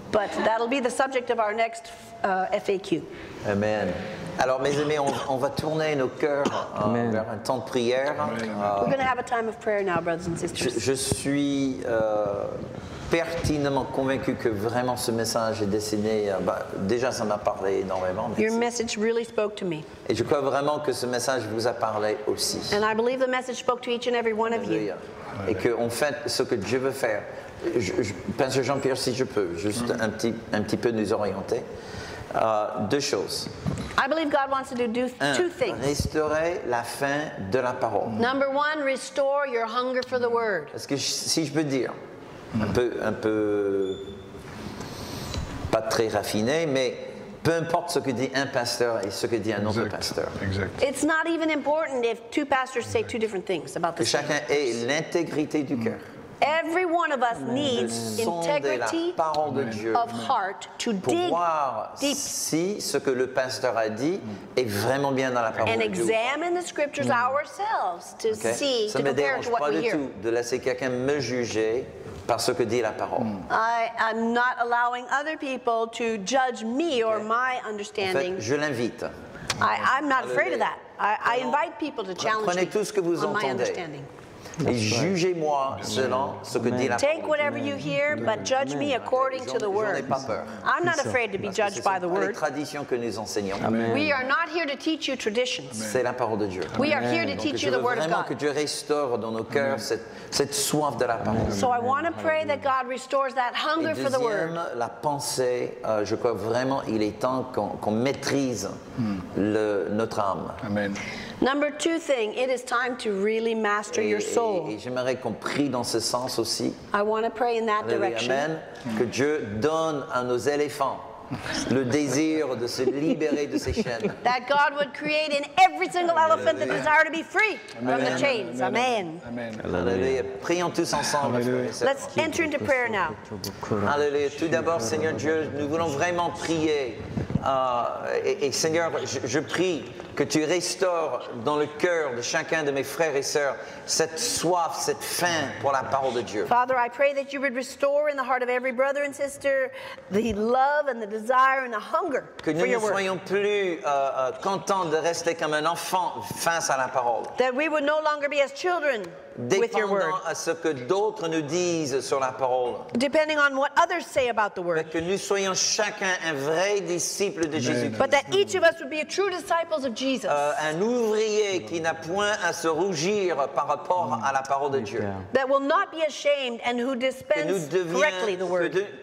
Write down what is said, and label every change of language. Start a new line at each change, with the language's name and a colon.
English: But that'll be the subject of our next FAQ. Amen.
French: Alors, mes amis, on va tourner nos cœurs vers un temps de prière.
English: We're going to have a time of prayer now, brothers and sisters.
French: Je suis pertinemment convaincu que vraiment ce message est destiné. Déjà, ça m'a parlé énormément.
English: Your message really spoke to me.
French: Et je crois vraiment que ce message vous a parlé aussi.
English: And I believe the message spoke to each and every one of you.
French: Et que en fait, ce que Dieu veut faire, Pasteur Jean-Pierre, si je peux, juste un petit peu nous orienter. Deux choses.
English: I believe God wants to do two things.
French: Restaurer la faim de la parole.
English: Number one, restore your hunger for the word.
French: Parce que si je peux dire. Un peu pas très raffiné, mais peu importe ce que dit un pasteur et ce que dit un autre pasteur. Exact.
English: It's not even important if two pastors say two different things about the same.
French: Chacun ait l'intégrité du cœur.
English: Every one of us needs integrity of heart to dig deep.
French: Si ce que le pasteur a dit est vraiment bien dans la parole de Dieu.
English: And examine the scriptures ourselves to see, to compare to what we hear.
French: Ça ne me dérange pas du tout de laisser quelqu'un me juger par ce que dit la parole.
English: I'm not allowing other people to judge me or my understanding.
French: En fait, je l'invite.
English: I'm not afraid of that. I invite people to challenge me.
French: Prenez tout ce que vous entendez. Et jugez-moi selon ce que dit la parole.
English: Take whatever you hear, but judge me according to the word. I'm not afraid to be judged by the word.
French: Les traditions que nous enseignons.
English: We are not here to teach you traditions.
French: C'est la parole de Dieu.
English: We are here to teach you the word of God.
French: Vraiment que Dieu restaure dans nos cœurs cette soif de la parole.
English: So I want to pray that God restores that hunger for the word.
French: Deuxième, la pensée. Je crois vraiment il est temps qu'on maîtrise notre âme. Amen.
English: Number two thing, it is time to really master your soul.
French: Et j'aimerais qu'on prie dans ce sens aussi.
English: I want to pray in that direction. Amen.
French: Que Dieu donne à nos éléphants le désir de se libérer de ces chaînes.
English: That God would create in every single elephant the desire to be free from the chains.
French: Amen. Amen. Alléluia. Prions tous ensemble.
English: Let's enter into prayer now.
French: Alléluia. Tout d'abord, Seigneur Dieu, nous voulons vraiment prier Et Seigneur, je prie que tu restaures dans le cœur de chacun de mes frères et sœurs cette soif, cette faim pour la parole de Dieu.
English: Father, I pray that you would restore in the heart of every brother and sister the love and the desire and the hunger for your word.
French: Que nous ne soyons plus contents de rester comme un enfant face à la parole.
English: That we would no longer be as children with your word.
French: Dépendant à ce que d'autres nous disent sur la parole.
English: Depending on what others say about the word.
French: Mais que nous soyons chacun un vrai disciple de Jésus.
English: But that each of us would be a true disciple of Jesus.
French: Un ouvrier qui n'a point à se rougir par rapport à la parole de Dieu.
English: That will not be ashamed and who dispenses correctly the word.